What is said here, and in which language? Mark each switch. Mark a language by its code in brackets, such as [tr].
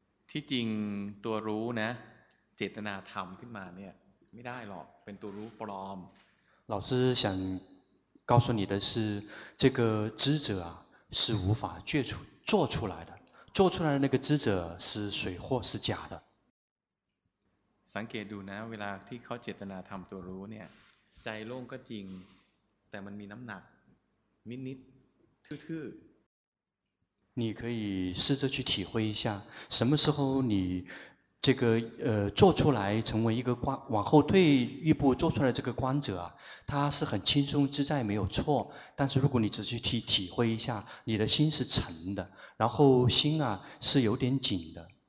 [th] ที่จริงตัวรู้นะเจตนาธรรมขึ้นมาเนี่ยไม่ได้หรอกเป็นตัวรู้ปลอม [zh] 老师想告诉你的是这个知者是无法做出来的做出来的那个知者是水货是假的 [th] สังเกตดูนะเวลาที่เขาเจตนาธรรมตัวรู้เนี่ยใจโล่งก็จริงแต่มันมีน้ำหนักนิดๆทื่อๆ [zh] 你可以试着去体会一下什么时候你这个做出来成为一个观往后退一步做出来这个观者他是很轻松自在没有错但是如果你只去体会一下你的心是沉的然后心啊是有点紧的